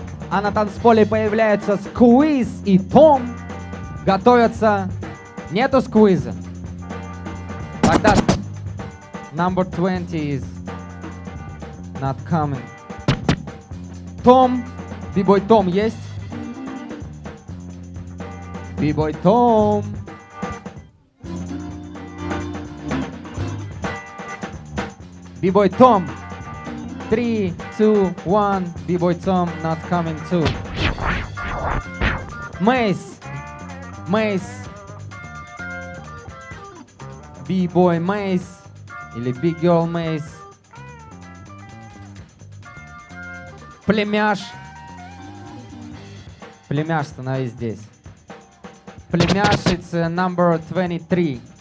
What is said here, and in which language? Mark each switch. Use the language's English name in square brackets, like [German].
[Russian] А на танцполе появляются Сквиз и Том. Готовятся. Нету Сквиза. Тогда [English] number 20 is not coming. [Russian] Том. Бибой Том есть? Бибой Том. [English] Бибой Том. 3, 2, 1, B-Boy Tom not coming too. [Russian] Mace, Mace, B-Boy Mace, или Big Girl Mace. Племяш, Племяш, становись здесь. [English] Племяш, it's number 23.